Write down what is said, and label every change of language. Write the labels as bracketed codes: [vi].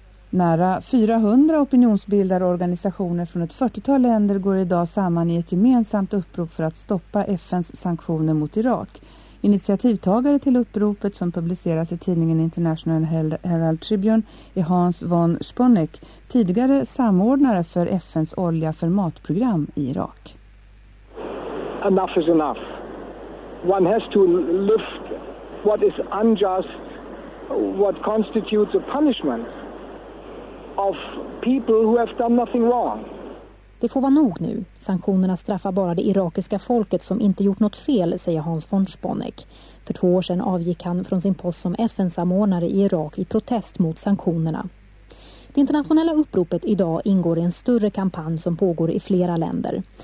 [sv] Nära 400 opinionsbildare och organisationer från ett 40-tal länder går idag samman i ett gemensamt upprop för att stoppa FNs sanktioner mot Irak. Initiativtagare till uppropet som publiceras i tidningen International Herald Tribune är Hans von Sponeck, tidigare samordnare för FNs olja för matprogram i Irak. [en] Enough is enough. One has to lift what is unjust, what constitutes a punishment. Of people who have done nothing wrong. [sv] Det får vara nog nu. Sanktionerna straffar bara det irakiska folket som inte gjort något fel, säger Hans von Sponeck. För 2 år sedan avgick han från sin post som FN-samordnare i Irak i protest mot sanktionerna. Det internationella uppropet idag ingår i en större kampanj som pågår i flera länder.